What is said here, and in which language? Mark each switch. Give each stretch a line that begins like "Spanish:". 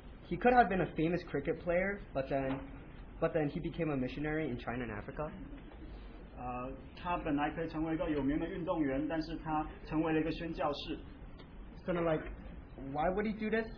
English: He could have been a famous cricket player, but then he became a missionary in China and Africa.
Chinese: 他本来可以成为一个有名的运动员，但是他成为了一个宣教士。
English: So then, like, why would he do this?